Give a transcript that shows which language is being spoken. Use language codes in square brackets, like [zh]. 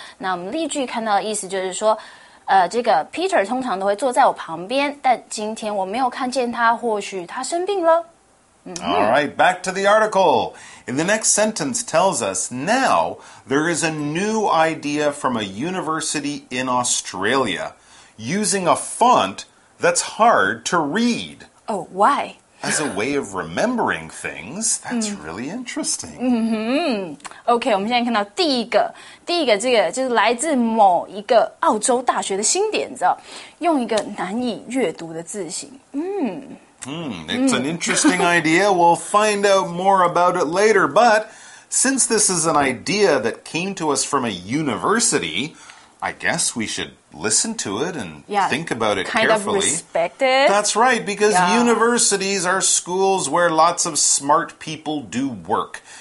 [zh] 那我们例句看到的意思就是说，这个 Peter 通常都会坐在我旁边，但今天我没有看见他，或许他生病了。 [en] All right, back to the article. In the next sentence tells us, now there is a new idea from a university in Australia using a font that's hard to read. Oh, why? As a way of remembering things. That's really interesting. [zh] Okay, 我们现在看到第一个。第一个这个就是来自某一个澳洲大学的新点子，用一个难以阅读的字型。 [en] It's an interesting idea. We'll find out more about it later. But since this is an idea that came to us from a university, I guess we should listen to it and think about it carefully. Kind of respect it. That's right, because universities are schools where lots of smart people do work.